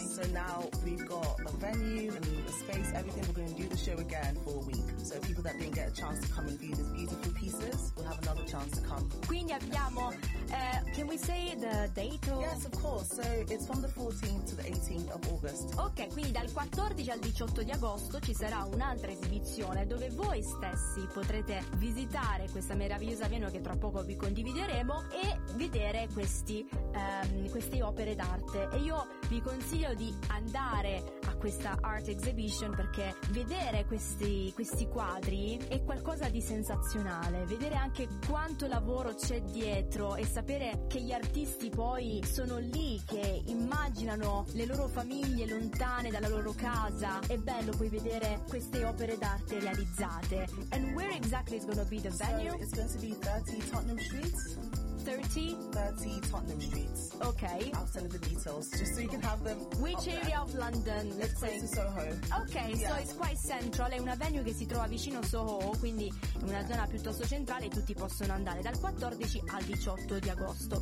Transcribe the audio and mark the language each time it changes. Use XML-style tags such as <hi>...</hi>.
<en>So now we've got a venue and a space, everything. We're going to do the show again for a week. So people that didn't get a chance to come and view these beautiful pieces will have another chance to come.</en> <it>Quindi abbiamo,</it> <en>can we say the date? Or? Yes, of course. So it's from the 14th to the 18th of August.</en> <it>Ok, quindi dal 14 al 18 di agosto ci sarà un'altra esibizione dove voi stessi potrete visitare questa meravigliosa venue che tra poco vi condivideremo e vedere queste opere d'arte. E io vi consiglio di andare a questa art exhibition perché vedere questi quadri è qualcosa di sensazionale. Vedere anche quanto lavoro c'è dietro e sapere che gli artisti poi sono lì che immaginano le loro famiglie lontane dalla loro casa. È bello poi vedere queste opere d'arte realizzate.</it> <en>And where exactly is going to be the venue? So it's going to be 30 Tottenham Street. 30 Tottenham Street. Okay. I'll send the details just so you can have them. Which area of London? Let's say Soho. Okay, yeah. So it's quite central.</en> <it>È una venue che si trova vicino Soho, quindi è una zona piuttosto centrale e tutti possono andare dal 14 al 18 di agosto.</it>